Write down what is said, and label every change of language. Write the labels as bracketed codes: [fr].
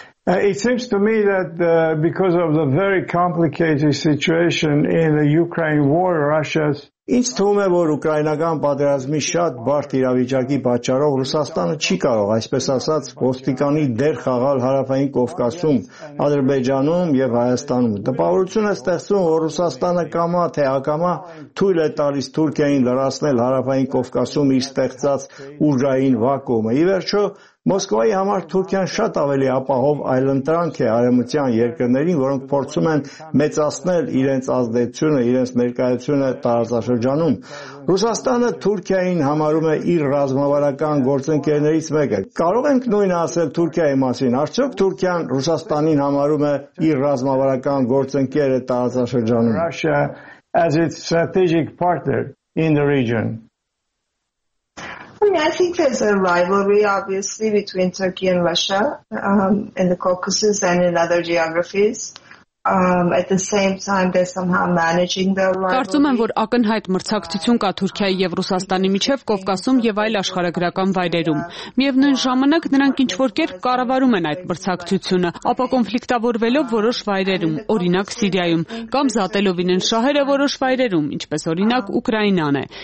[en] It seems to me that because of the very complicated situation in the Ukraine war, Russia's [hy] Ինչ թվում է, որ ուկրաինական պատերազմի շատ բարդ իրավիճակի պատճառով Ռուսաստանը չի կարող, այսպես ասած, ոստիկանի դեր խաղալ Հարավային Կովկասում, Ադրբեջանում և Հայաստանում։ Տպավորություն է ստեղծում, որ Ռուսաստանը կամա թե ակամա թույլ է տալիս Թուրքիային լրացնել Հարավային Կովկասում իր ստեղծած ուժային վակուումը։ Ի վերջո, Մոսկվայի համար Թուրքիան շատ ավելի ապահով այլընտրանք է արևմտյան երկրներին, որոնք փորձում են մեծացնել իրենց ազդեցությունը, իրենց ներկայությունը տարածաշրջանում։ Ռուսաստանը Թուրքիային համարում է իր ռազմավարական գործընկերներից մեկը։ Կարող ենք նույնը ասել Թուրքիայի մասին։ Արդյոք Թուրքիան Ռուսաստանին համարում է իր ռազմավարական գործընկերը տարածաշրջանում։ [en] Russia as its strategic partner in the region. I think there's a rivalry, obviously, between Turkey and Russia in the Caucasus and in other geographies. At the same time, they're somehow managing their rivalry. [hy] Կարծում եմ, որ ակնհայտ մրցակցություն կա Թուրքիայի և Ռուսաստանի միջև Կովկասում և այլ աշխարհագրական վայրերում։ Միևնույն ժամանակ նրանք ինչ-որ կերպ կառավարում են այդ մրցակցությունը, ապա կոնֆլիկտավորվելով որոշ վայրերում, օրինակ Սիրիայում, կամ զատելով ինեն շահերը որոշ վայրերում, ինչպես օրինակ Ուկրաինան է։